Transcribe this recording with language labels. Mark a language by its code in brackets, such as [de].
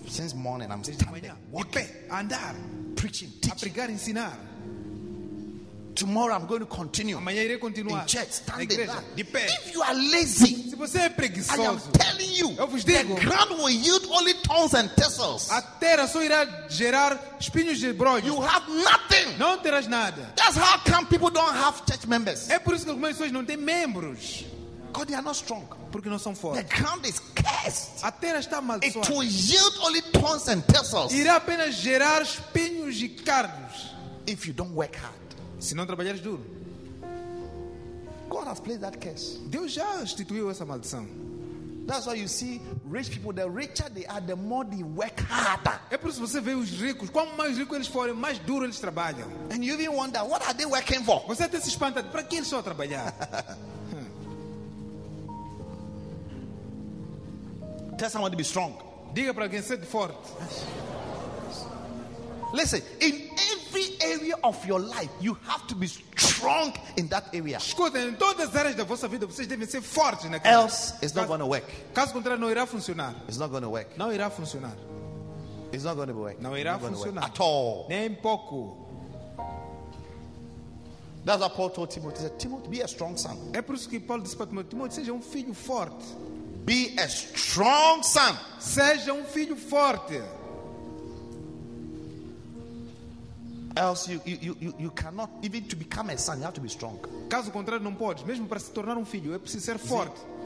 [en] Since morning, I'm standing, walking, [pt] pé, andar, [en] preaching, teaching. [pt] A pregar, ensinar. [en] Tomorrow I'm going to continue. [pt] Amanhã irei continuar. [en] In church, standing, [pt] igreja, de pé. [en] If you are lazy, [pt] se você é preguiçoso, [en] I am telling you, [pt] eu vos digo, [en] the ground will yield only thorns and thistles. [pt] A terra só irá gerar espinhos e brolhos. [en] You have nothing. [pt] Não terás nada. [en] That's how come people don't have church members. [pt] É por isso que algumas pessoas não têm membros. [en] God, they are not strong. [pt] Porque não são fortes. [en] The ground is cursed. [pt] A terra está amaldiçoada. [en] It will yield only thorns and thistles. [pt] Irá apenas gerar espinhos e cardos. [en] If you don't work hard. [pt] Se não trabalhares duro. [en] God has placed that curse. [pt] Deus já instituiu essa maldição. [en] That's why you see rich people, the richer they are, the more they work harder. [pt] É por isso que você vê os ricos, quanto mais ricos eles forem, mais duro eles trabalham. [en] And you even wonder, what are they working for? [pt] Você até se espanta, para que eles estão a trabalhar? [en] Tell someone to be strong. [pt] Diga para alguém ser forte. [en] Listen, in every area of your life, you have to be strong in that area. [pt] Escutem, em todas as áreas da vossa vida, vocês devem ser fortes naquilo. [en] Else, it's not going to work. [pt] Caso contrário, não irá funcionar. [en] It's not going to work. [pt] Não irá funcionar. [en] It's not going to work. [pt] Não irá funcionar. [en] At all. [pt] Nem pouco. [en] That's what Paul told Timothy. He said, Timothy, be a strong son. [pt] É por isso que Paulo disse para Timóteo, seja filho forte. [en] Be a strong son. [pt] Seja filho forte. [en] Else you cannot even to become a son, you have to be strong. [pt] Caso contrário não podes, mesmo para se tornar filho, é preciso ser forte.